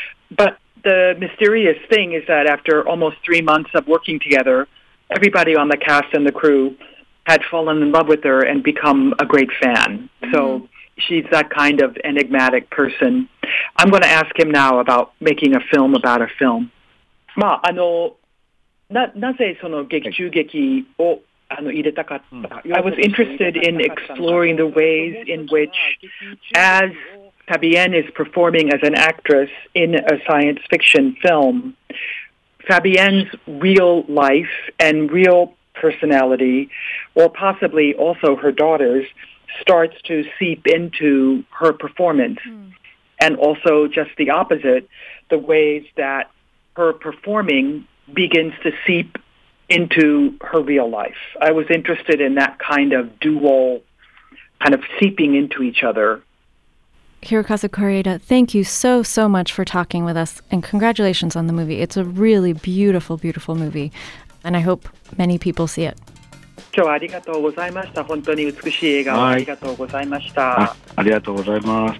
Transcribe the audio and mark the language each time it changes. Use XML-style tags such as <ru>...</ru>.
<en>But the mysterious thing is that after almost 3 months of working together, everybody on the cast and the crew had fallen in love with her and become a great fan. Mm-hmm. So she's that kind of enigmatic person. I'm going to ask him now about making a film about a film.</en> <ja>まあ、なぜその劇中劇を入れたかった。</ja> <en>I was interested in exploring the ways in which, as Fabienne is performing as an actress in a science fiction film, Fabienne's real life and real personality, or possibly also her daughter's, starts to seep into her performance. Mm. And also just the opposite, the ways that her performing begins to seep into her real life. I was interested in that kind of dual kind of seeping into each other. Hirokazu Kore-eda, thank you so, so much for talking with us and congratulations on the movie. It's a really beautiful, beautiful movie and I hope many people see it.</en> <ja>今日はありがとうございました。本当に美しい映画をありがとうございました。ありがとうございます。</ja>